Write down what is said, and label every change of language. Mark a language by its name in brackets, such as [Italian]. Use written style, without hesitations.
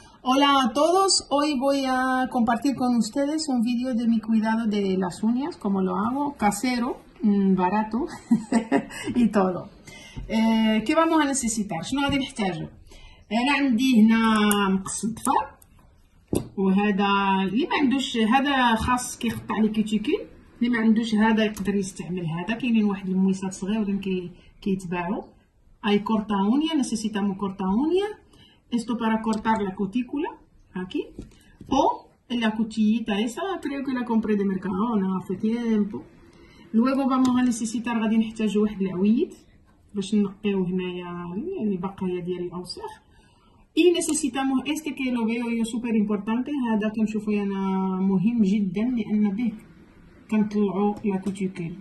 [Spanish] Hola a todos, hoy voy a compartir con ustedes un video de mi cuidado de las uñas, como lo hago, casero, barato y todo. ¿Qué vamos a necesitar? [Arabic] شنو غادي نحتاجو؟ انا عندي هنا مقص الضفار، وهذا اللي ما عندوش هذا خاص كيقطع لي كوتيكول، اللي ما عندوش هذا يقدر يستعمل هذا. كاينين واحد المويسات صغيرين كيتباعوا. [Spanish] اي كورتا اونيا، نسيسيتامو كورتا اونيا. Esto para cortar la cutícula, aquí, o la cuchillita esa, creo que la compré de Mercadona hace tiempo. Luego vamos a necesitar, [Arabic] غادي نحتاجو واحد العويد باش نقيو هنايا البقايا ديال الاوساخ. [Spanish] Y necesitamos este que lo veo yo super importante, [Arabic] هذا كنشوفو انا مهم جدا، لان به كنطلعو لا كوتيكيل.